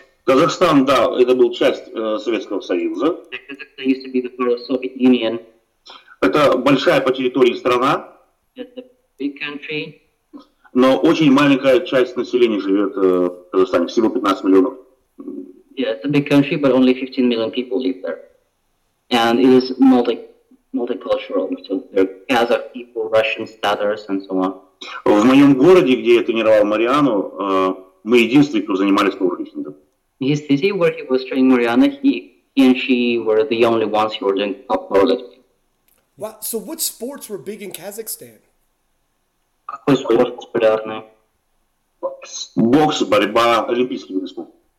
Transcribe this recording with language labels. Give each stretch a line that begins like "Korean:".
Russian: Казахстан, да, это был часть Советского Союза.
English: Казахстан used to be the part of Soviet Union.
Russian: Это большая по территории страна.
English: It's a big country.
Russian: Но очень маленькая часть населения живет в Казахстане, всего 15 миллионов.
English: Yeah, it's a big country, but only 15 million people live there. And it is multicultural, so there are Kazakh people, Russians, Tatars, and so on.
Russian: В моем городе, где я тренировал Мариану, мы единственные, кто занимались пауэрлифтингом.
English: In his city, where he was training Mariana, he and she were the only ones who were doing top pauerlifting. Wow, so what sports were big in Kazakhstan?
Russian: Какой спорт популярный? Бокс, борьба, олимпийские виды спорта.